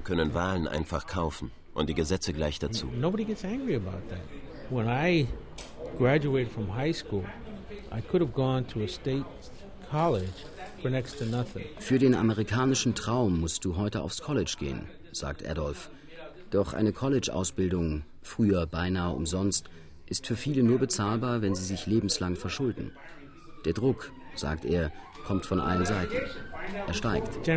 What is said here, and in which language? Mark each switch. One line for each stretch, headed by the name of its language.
German: können Wahlen einfach kaufen und die Gesetze gleich dazu.
English: Nobody gets angry about that. When I graduated from high school, I could have gone to a state college for next to nothing.
German: Für den amerikanischen Traum musst du heute aufs College gehen, sagt Adolf. Doch eine College-Ausbildung, früher beinahe umsonst, ist für viele nur bezahlbar, wenn sie sich lebenslang verschulden. Der Druck, sagt er, kommt von allen Seiten. Er steigt.